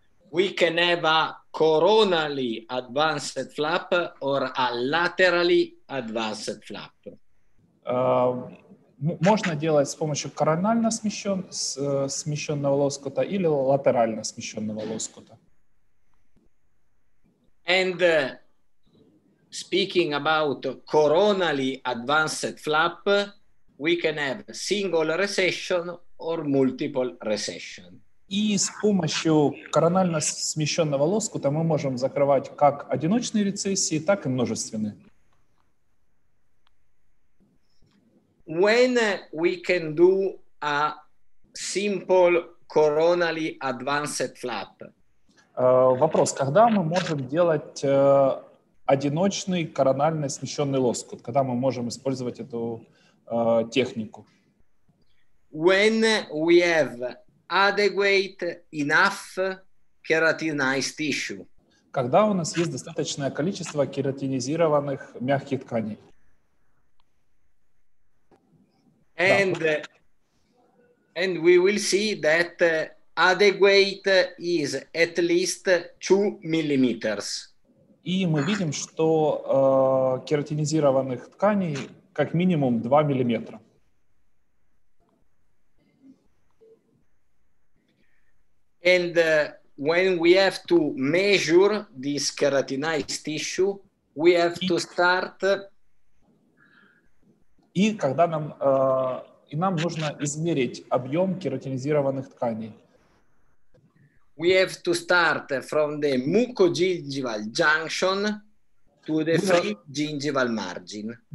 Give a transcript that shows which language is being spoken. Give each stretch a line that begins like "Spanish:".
English: We can have a coronally advanced flap or a laterally advanced flap.
Russian: Можно делать с помощью коронально смещенного лоскута или латерально смещенного лоскута.
English: And speaking about coronally advanced flap, we can have single recession or multiple recession.
Russian: И с помощью коронально смещенного лоскута мы можем закрывать как одиночные рецессии, так и множественные.
English: When we can do a simple coronally advanced flap?
Russian: Вопрос, когда мы можем делать одиночный коронально смещенный лоскут, когда мы можем использовать эту технику?
English: When we have adequate enough keratinized tissue.
Russian: Когда у нас есть достаточное количество кератинизированных мягких тканей.
English: And we will see that adequate is at least 2 millimeters.
Russian: И мы видим, что кератинизированных тканей как минимум 2 миллиметра.
English: And when we have to measure this keratinized tissue, we have to start.
Russian: И когда нам нам нужно измерить объем кератинизированных тканей.
English: We have to start from the mucogingival junction to the free gingival margin.